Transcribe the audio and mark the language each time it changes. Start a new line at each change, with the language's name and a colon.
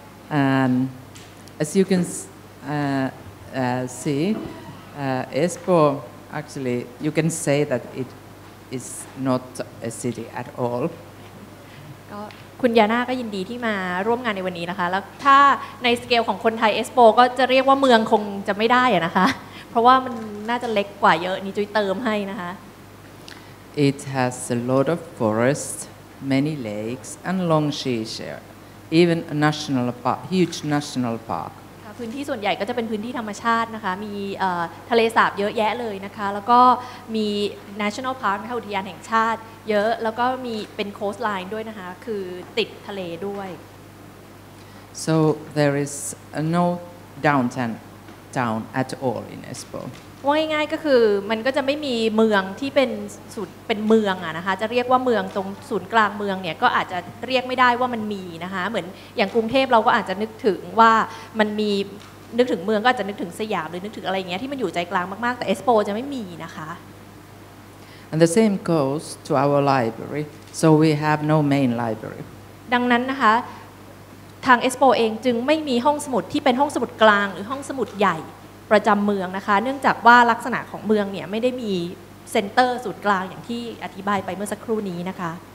English: And as you can see, Espoo, actually, you can say that it is not a city at all.
Thai: ก็คุณยาน่าก็ยินดีที่มาร่วมงานในวันนี้นะคะแล้วถ้าในสเกลของคนไทยเอสโปก็จะเรียกว่าเมืองคงจะไม่ได้นะคะเพราะว่ามันน่าจะเล็กกว่าเยอะนี่จุ้ยเติมให้นะคะ
English: It has a lot of forests, many lakes, and long seashore. Even a national park, huge national park.
Thai: ค่ะพื้นที่ส่วนใหญ่ก็จะเป็นพื้นที่ธรรมชาตินะคะมีทะเลสาบเยอะแยะเลยนะคะแล้วก็มี national park นะคะอุทยานแห่งชาติเยอะแล้วก็มีเป็น coastline ด้วยนะคะคือติดทะเลด้วย
English: So there is no downtown town at all in Espoo.
Thai: ว่าง่ายๆก็คือมันก็จะไม่มีเมืองที่เป็นศูนย์เป็นเมืองอะนะคะจะเรียกว่าเมืองตรงศูนย์กลางเมืองเนี่ยก็อาจจะเรียกไม่ได้ว่ามันมีนะคะเหมือนอย่างกรุงเทพเราก็อาจจะนึกถึงว่ามันมีนึกถึงเมืองก็อาจจะนึกถึงสยามหรือนึกถึงอะไรอย่างเงี้ยที่มันอยู่ใจกลางมากๆแต่เอสโปจะไม่มีนะคะ
English: And the same goes to our library so we have no main library
Thai: ดังนั้นนะคะทางเอสโปเองจึงไม่มีห้องสมุดที่เป็นห้องสมุดกลางหรือห้องสมุดใหญ่ประจำเมืองนะคะเนื่องจากว่าลักษณะของเมืองเนี่ยไม่ได้มีเซ็นเตอร์ศูนย์กลางอย่างที่อธิบายไปเมื่อสักครู่นี้นะคะ